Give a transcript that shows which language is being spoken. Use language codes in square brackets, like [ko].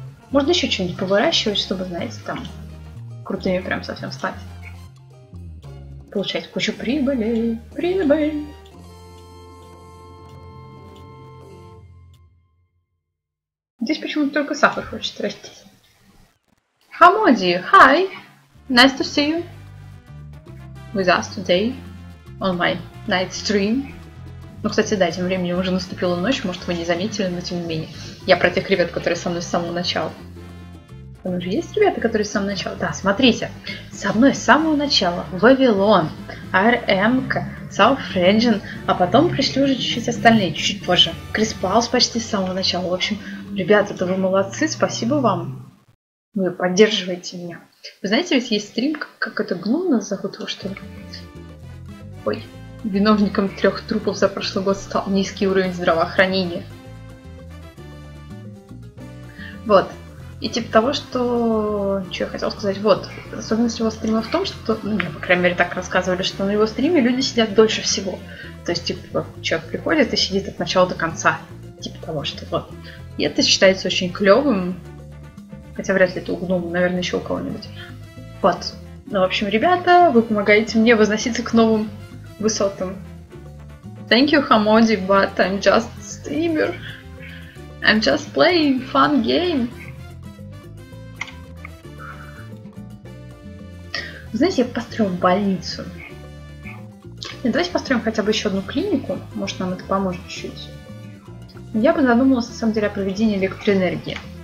[ru] Можно еще что-нибудь повыращивать, чтобы, знаете, там, крутыми прям совсем стать. Получать кучу прибыли. Прибыль. Здесь почему-то только сахар хочет расти. [en] Хамоди, hi! Nice to see you with us today on my night stream. [ru] Ну, кстати, да, тем временем уже наступила ночь, может, вы не заметили, но тем не менее. Я про тех ребят, которые со мной с самого начала. Там уже есть ребята, которые с самого начала? Да, смотрите, со мной с самого начала Вавилон, RM-ка, South Region, а потом пришли уже чуть-чуть остальные, чуть-чуть позже. Крис Паус почти с самого начала. В общем, ребята, это вы молодцы, спасибо вам. Вы поддерживаете меня. Вы знаете, ведь есть стрим, как это гном нас зовут, его что ли? Ой, виновником трех трупов за прошлый год стал низкий уровень здравоохранения. Вот. И типа того, что... Что я хотела сказать? Вот. Особенность его стрима в том, что... Ну, мне, по крайней мере, так рассказывали, что на его стриме люди сидят дольше всего. То есть, типа, человек приходит и сидит от начала до конца. Типа того, что вот. И это считается очень клёвым. Хотя вряд ли это у гнома, наверное, еще у кого-нибудь. Вот. Ну, в общем, ребята, вы помогаете мне возноситься к новым высотам. [en] Thank you, Хамоди, but I'm just streamer. I'm just playing fun game. [ru] Знаете, я построю больницу. Нет, давайте построим хотя бы еще одну клинику. Может, нам это поможет чуть-чуть. Я бы задумалась, на самом деле, о проведении электроэнергии.